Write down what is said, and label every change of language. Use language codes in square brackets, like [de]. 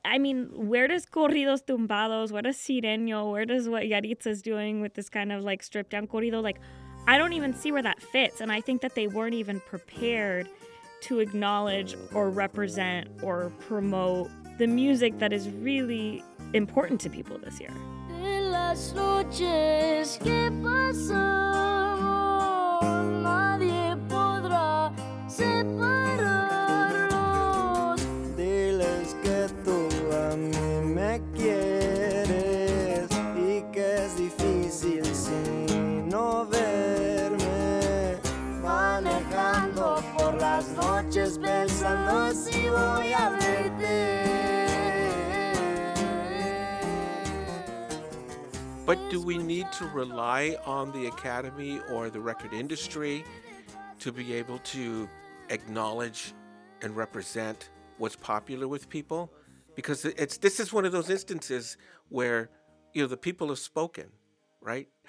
[en] I mean, where does corridos tumbados, where does sireño, where does what Yaritza's doing with this kind of, like, stripped-down corrido? Like, I don't even see where that fits, and I think that they weren't even prepared to acknowledge or represent or promote the music that is really important to people this year. [es] Las noches que pasamos, nadie podrá separarnos. Diles que tú a mí me quieres y que es difícil si no verme. Manejando por las noches pensando si voy a verte. [en] But do we need to rely on the Academy or the record industry to be able to acknowledge and represent what's popular with people? Because this is one of those instances where, you know, the people have spoken, right?